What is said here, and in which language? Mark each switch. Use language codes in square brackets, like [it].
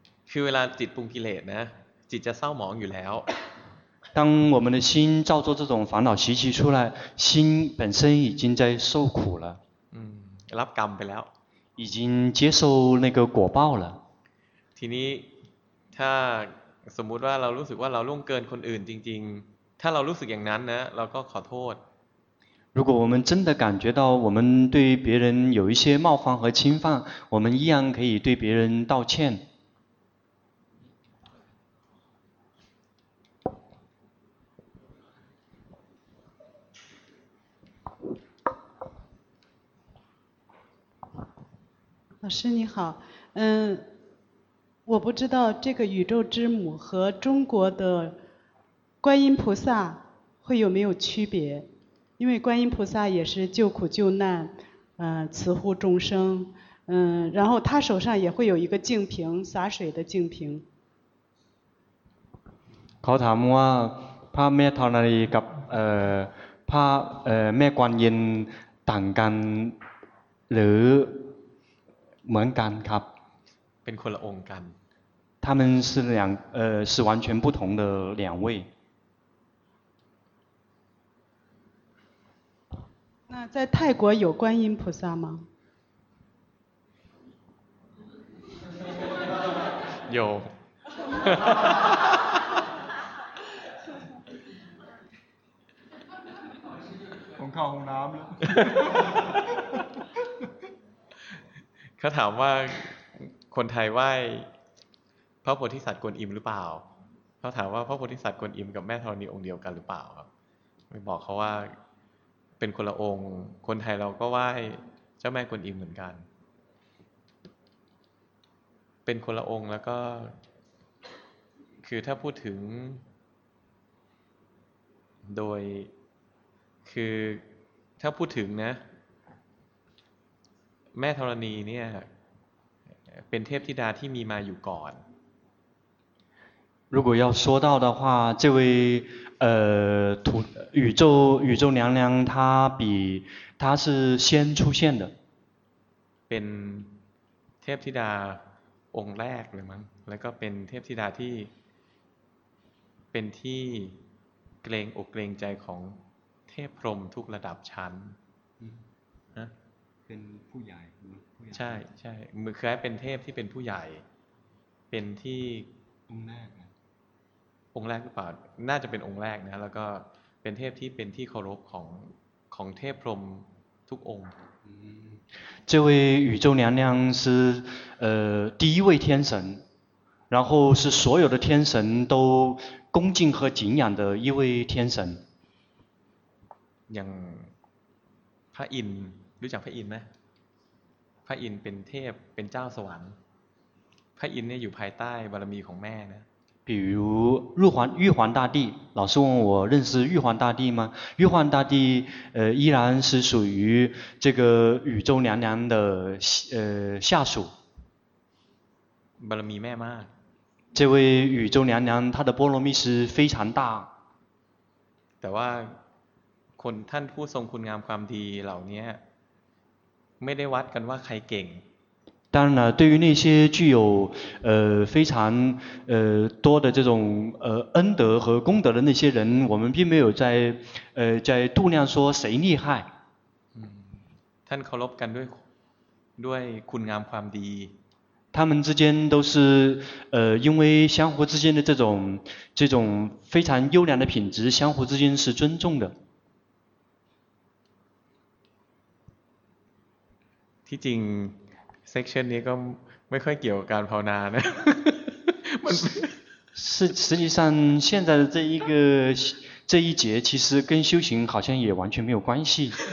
[th] คือเวลาจิตปรุงกิเลสนะจิตจะเศร้าหมองอยู่แล้ว [zh] 当我们的心造作这种烦恼习气出来心本身已经在受苦了 [th] รับกรรมไปแล้ว [zh] 已经接受那个果报了 [th] ทีนี้ถ้าสมมุติว่าเรารู้สึกว่าเราล่วงเกินคนอื่นจริงๆถ้าเรารู้สึกอย่างนั้นนะเราก็ขอโทษ [zh] 如果我们真的感觉到我们对别人有一些冒犯和侵犯我们一样可以对别人道歉老师你好，嗯，我不知道这个宇宙之母和中国的观音菩萨会有没有区别，因为观音菩萨也是救苦救难，慈护众生，然后他手上也会有一个净瓶，洒水的净瓶。 [th] เขาถามว่าพระแม่ธรณีกับพระแม่กวนอินต่างกันหรือเหมือนกันครับ เป็นคนละองค์กัน [zh] 他们是两是完全不同的两位那在泰国有观音菩萨吗有 [th] เขาถามว่าคนไทยไหว้พระโพธิสัตว์กวนอิมหรือเปล่าเขาถามว่าพระโพธิสัตว์กวนอิมกับแม่ธรณีองค์เดียวกันหรือเปล่าครับไปบอกเขาว่าเป็นคนละองค์คนไทยเราก็ไหว้เจ้าแม่กวนอิมเหมือนกัน เป็นคนละองค์แล้วก็คือถ้าพูดถึงโดยคือถ้าพูดถึงนะแม่ธรณีเนี่ยเป็นเทพธิดาที่มีมาอยู่ก่อน [zh] 如果要说到的话这位土宇宙娘娘她是先出现的 [th] เป็นเทพธิดาองค์แรกเลยมั้งแล้วก็เป็นเทพธิดาที่เป็นที่เกรงอกเกรงใจของเทพพรหมทุกระดับชั้น เป็นผู้ใหญ่ใช่ใช่เหมือนคล้ายเป็นเทพที่เป็นผู้ใหญ่เป็นที่ องค์แรก องค์แรกหรือเปล่าน่าจะเป็นองค์แรกนะแล้วก็เป็นเทพที่เป็นที่เคารพของเทพพรหมทุกองค์ [zh] 这位宇宙娘娘是第一位天神然后是所有的天神都恭敬和敬仰的一位天神 [th] อย่างพระอินทร์รู้จักพระอินทร์ไหมพระอินทร์เป็นเทพเป็นเจ้าสวรรค์พระอินทร์เนี่ยอยู่ภายใต้บารมีของแม่นะ [zh] 比如玉皇大帝老师问我认识玉皇大帝吗玉皇大帝依然是属于这个宇宙娘娘的下属 [th] บารมีแม่มาก [zh] 这位宇宙娘娘她的波罗蜜是非常大 [th] แต่ว่าคนท่านผู้ทรงคุณงามความดีเหล่านี้ไม่ได้วัดกันว่าใครเก่ง [zh] 当然对于那些具有非常多的这种恩德和功德的那些人我们并没有在度量说谁厉害 [th] ท่านเคารพกันด้วยคุณงามความดี [zh] 他们之间都是因为相互之间的这种非常优良的品质相互之间是尊重的 [th] ที่จริงเซ็กชันนี้ก็ไม่ค่อยเกี่ยวกับการภาวนานะ มัน [zh] 实际上现在的这一个这一节其实跟修行好像也完全没有关系